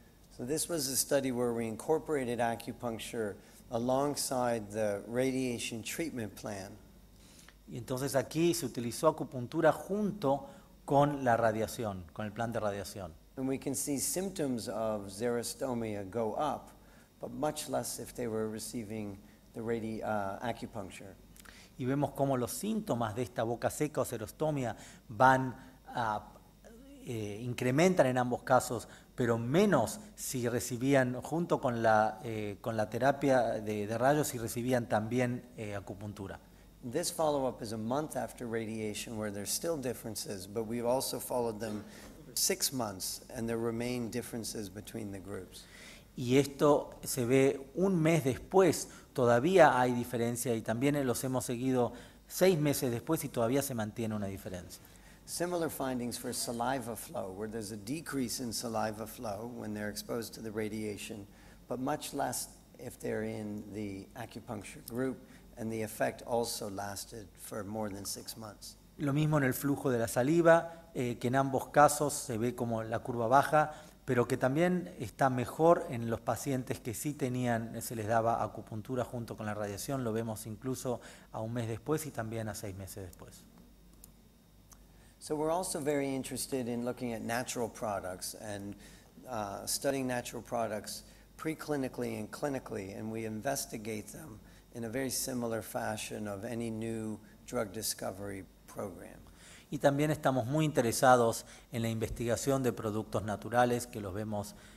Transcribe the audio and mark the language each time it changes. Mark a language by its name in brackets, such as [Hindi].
[English] So this was a study where we incorporated acupuncture alongside the radiation treatment plan. [Spanish] Y entonces aquí se utilizó acupuntura junto con la radiación, con el plan de radiación. [English] And we can see symptoms of xerostomia go up, but much less if they were receiving the acupuncture. [Spanish] Y vemos cómo los síntomas de esta boca seca o xerostomia van a incrementan en ambos casos, pero menos si recibían junto con la terapia de rayos si recibían también acupuntura. [English] This follow-up is a month after radiation where there's still differences, but we've also followed them 6 months and there remain differences between the groups. [Spanish] Y esto se ve un mes después, todavía hay diferencia y también los hemos seguido 6 meses después y todavía se mantiene una diferencia. [English] Similar findings for saliva flow, where there's a decrease in saliva flow when they're exposed to the radiation, but much less if they're in the acupuncture group, and the effect also lasted for more than 6 months. [Spanish] Lo mismo en el flujo de la saliva, que en ambos casos se ve como la curva baja, pero que también está mejor en los pacientes que sí tenían, se les daba acupuntura junto con la radiación, lo vemos incluso a un mes después y también a 6 meses después. [English] So we're also very interested in looking at natural products and studying natural products preclinically and clinically, and we investigate them in a very similar fashion of any new drug discovery program. [Spanish] Y también estamos muy interesados en la investigación de productos naturales que los vemos,